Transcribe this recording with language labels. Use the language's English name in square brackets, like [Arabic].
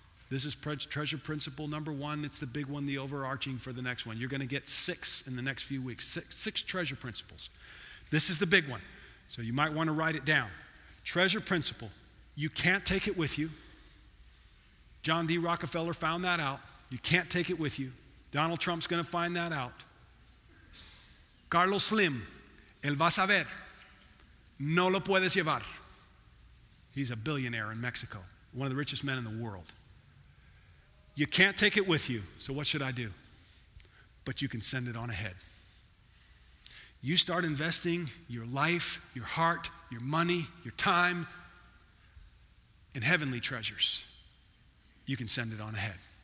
[English] This is treasure principle number one. It's the big one, the overarching for the next one. You're going to get six in the next few weeks. Six treasure principles. This is the big one. So you might want to write it down. Treasure principle. You can't take it with you. John D. Rockefeller found that out. You can't take it with you. Donald Trump's going to find that out. [Spanish] Carlos Slim, él va a saber. No lo puedes llevar. [English] He's a billionaire in Mexico, one of the richest men in the world. You can't take it with you, so what should I do? But you can send it on ahead. You start investing your life, your heart, your money, your time in heavenly treasures. You can send it on ahead.